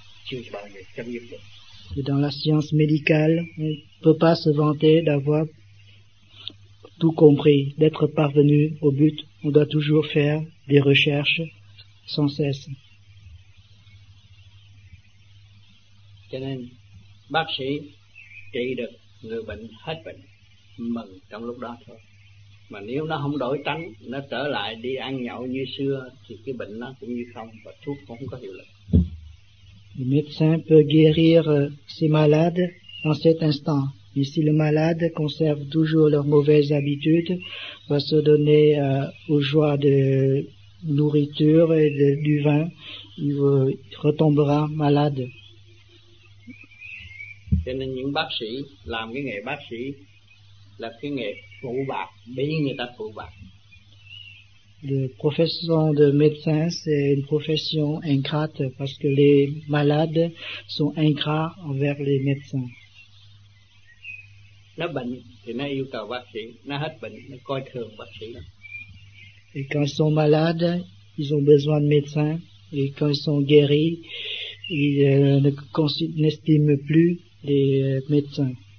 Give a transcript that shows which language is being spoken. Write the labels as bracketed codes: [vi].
[fr] Et dans la science médicale, on ne peut pas se vanter d'avoir tout compris, d'être parvenu au but. On doit toujours faire des recherches sans cesse. [vi] Cho nên, bác sĩ trị được người bệnh hết bệnh, mừng trong lúc đó thôi. Mà nếu nó không đổi tánh, nó trở lại đi ăn nhậu như xưa, thì cái bệnh nó cũng như không, và thuốc cũng không có hiệu lực. [fr] Le médecin peut guérir ses malades en cet instant. Mais si le malade conserve toujours leurs mauvaises habitudes, va se donner aux joies de nourriture et du vin, il retombera malade. [vi] Cho nên những bác sĩ, làm cái nghề bác sĩ, là cái nghề phụ bạc, bị người ta phụ bạc. [fr] La profession de médecin, c'est une profession ingrate, parce que les malades sont ingrats envers les médecins. [vi] Nó bệnh thì nó yêu cầu bác sĩ, nó hết bệnh, nó coi thường bác sĩ. [fr] Et quand ils sont malades, ils ont besoin de médecins, et quand ils sont guéris, ils n'estiment plus les médecins.